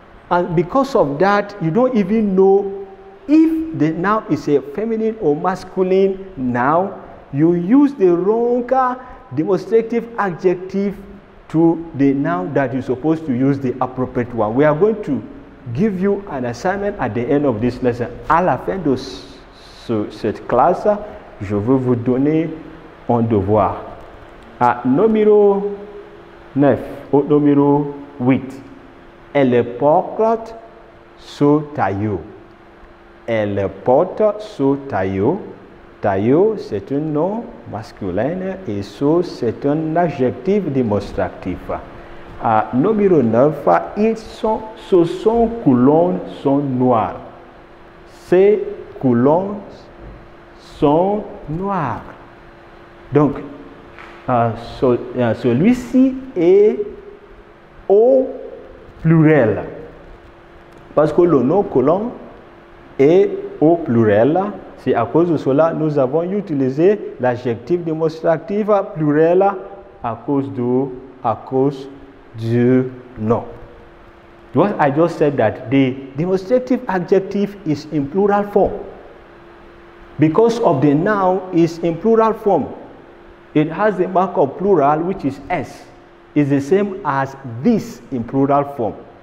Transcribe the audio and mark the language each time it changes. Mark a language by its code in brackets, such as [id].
[en] And because of that, you don't even know if the noun is a feminine or masculine noun, you use the wrong demonstrative adjective to the noun that you're supposed to use the appropriate one. We are going to give you an assignment at the end of this lesson. [fr] À la fin de cette classe, je veux vous donner un devoir. À numéro 9, au numéro 8, elle porte ce taillot. Elle porte ce taillot. Taillot, c'est un nom masculin et ce, c'est un adjectif démonstratif. À numéro 9, ses couleurs sont noires. Ses couleurs sont noires. Donc, celui-ci est au pluriel. Parce que le nom couleur est au pluriel. C'est à cause de cela que nous avons utilisé l'adjectif démonstratif pluriel à cause du nom. [en] What I just said that the demonstrative adjective is in plural form. Because of the noun is in plural form, it has the mark of plural, which is S. It's the same as this in plural form.